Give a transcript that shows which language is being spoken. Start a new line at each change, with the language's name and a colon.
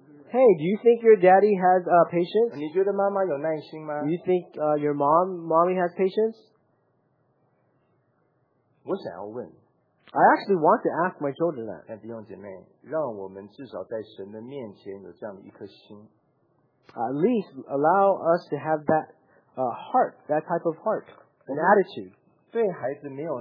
English: Hey, do you think your daddy has patience? Do you think your mommy has patience? I actually want to ask my children that.
Chinese: 弟兄姐妹, 让我们至少在神的面前有这样的一颗心,
English: at least allow us to have that heart, that type of heart, an attitude.